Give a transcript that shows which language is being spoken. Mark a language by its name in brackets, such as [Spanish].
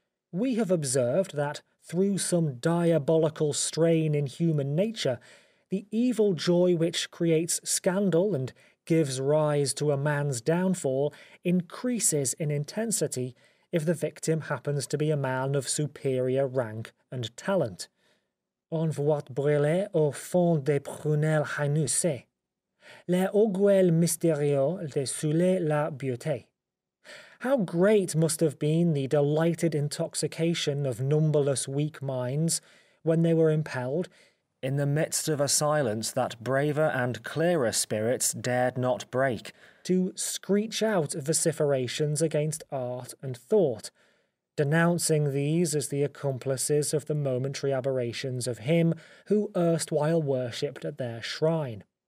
[English] We have observed that through some diabolical strain in human nature, the evil joy which creates scandal and gives rise to a man's downfall increases in intensity if the victim happens to be a man of superior rank and talent. [French] On voit brûler au fond des prunelles hainussées, les orgueils mystérieux de souler la beauté. [English] How great must have been the delighted intoxication of numberless weak minds when they were impelled, in the midst of a silence that braver and clearer spirits dared not break, to screech out vociferations against art and thought, denouncing these as the accomplices of the momentary aberrations of him who erstwhile worshipped at their shrine.